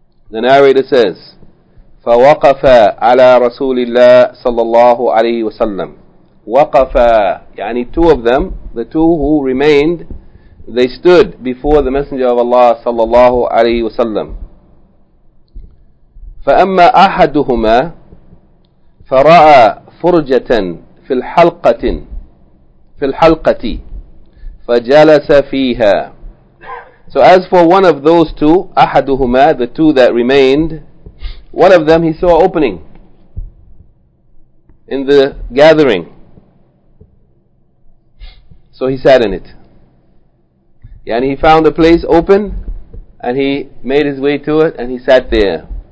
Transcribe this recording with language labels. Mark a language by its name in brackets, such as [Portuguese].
[English] The narrator says, [Arabic] فَوَقَفَ عَلَىٰ رَسُولِ اللَّهِ صَلَّى اللَّهُ عَلَيْهِ وَسَلَّمْ وَقَفَ يعني [English] two of them, the two who remained, they stood before the Messenger of Allah صلى الله عليه وسلم. [Arabic] فَأَمَّا أَحَدُهُمَا فَرَأَى فُرْجَةً فِي الْحَلْقَةٍ في الحلقة فجلس فيها. [English] So as for one of those two, أحدهما, the two that remained, one of them he saw opening in the gathering, so he sat in it. And he found a place open and he made his way to it and he sat there.